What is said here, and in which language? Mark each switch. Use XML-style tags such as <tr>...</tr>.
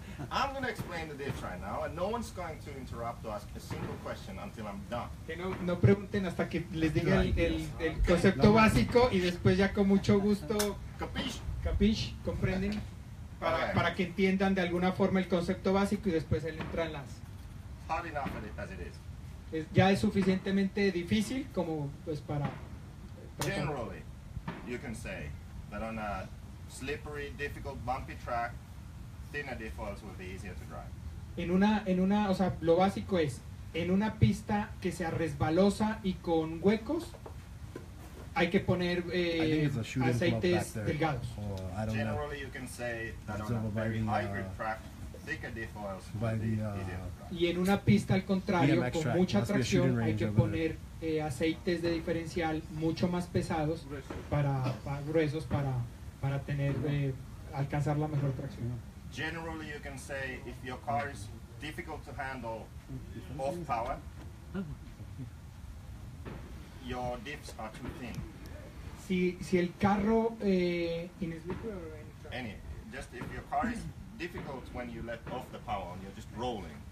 <en>I'm going to explain the diff right now, and no one's going to interrupt or ask a single question until I'm done.</en> <es>Que no pregunten hasta que les diga el concepto básico y después ya con mucho gusto.</es> <it>Capiche,</it> <es>comprenden, para que entiendan de alguna forma el concepto básico y después él entra en las.</es> <en>Hard enough as it is.</en> <es>Es, ya es suficientemente difícil como pues para.</es> <en>Generally, you can say that on a slippery, difficult, bumpy track, thinner diff oils will be easier to drive.</en> <es>En una, o sea, lo básico es en una pista que sea resbalosa y con huecos. Hay que poner aceites delgados.</es> <en>Generally, you can say that on a very hybrid track, thicker diff oils will be easier.</en> <es>Y en una pista al contrario, con mucha tracción, hay que poner aceites de diferencial mucho más pesados, gruesos para tener alcanzar la mejor tracción.</es> <en>Generally, you can say if your car is difficult to handle off power. Your dips are too thin.</en> <es>Si el carro in</es> <en>any, just if your car is difficult when you let off the power and you're just rolling.</en>